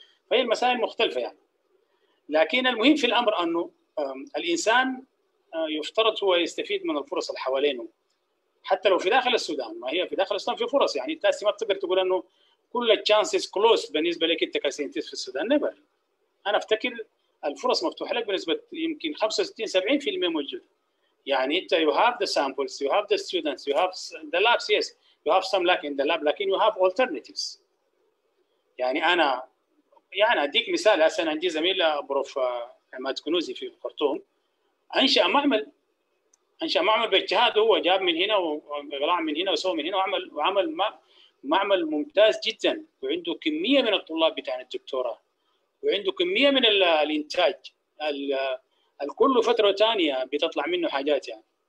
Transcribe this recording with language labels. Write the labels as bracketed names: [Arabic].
[Arabic] فهي المسائل مختلفة يعني، لكن المهم في الأمر أنه الإنسان يفترض هو يستفيد من الفرص اللي حوالينه حتى لو في داخل السودان. ما هي في داخل السودان في فرص يعني، أنت ما بتقدر تقول أنه كل [English] chances closed [Arabic] بالنسبة لك أنت كسينتيست في السودان. نبر أنا أفتكر الفرص مفتوحة لك بنسبة يمكن 65-70% موجود. يعني أنت [English] you have the samples, you have the students, you have the labs, yes, you have some lack in the lab, [Arabic] لكن [English] you have alternatives. [Arabic] يعني أنا يعني أديك مثال، أنا عندي زميل بروف عماد كنوزي في الخرطوم أنشأ معمل باجتهاده، هو جاب من هنا وقلع من هنا وسوى من هنا وعمل معمل ممتاز جدا، وعنده كمية من الطلاب بتاعنا الدكتوراه، وعنده كمية من الإنتاج الكل فترة تانية بتطلع منه حاجات يعني.